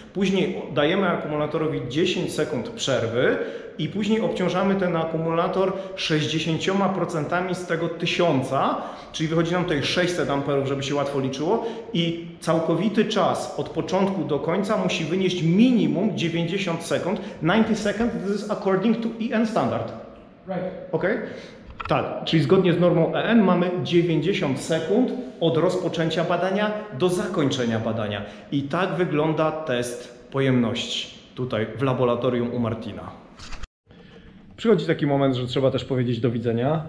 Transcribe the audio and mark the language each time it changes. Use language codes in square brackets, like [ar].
[pl] Później dajemy akumulatorowi 10 sekund przerwy i później obciążamy ten akumulator 60% z tego 1000, czyli wychodzi nam tutaj 600 amperów, żeby się łatwo liczyło, i całkowity czas od początku do końca musi wynieść minimum 90 sekund. 90 sekund, [en] this is according to EN standard. Right. Okay? [pl] Tak, czyli zgodnie z normą EN mamy 90 sekund od rozpoczęcia badania do zakończenia badania. I tak wygląda test pojemności tutaj w laboratorium u Martina. Przychodzi taki moment, że trzeba też powiedzieć do widzenia.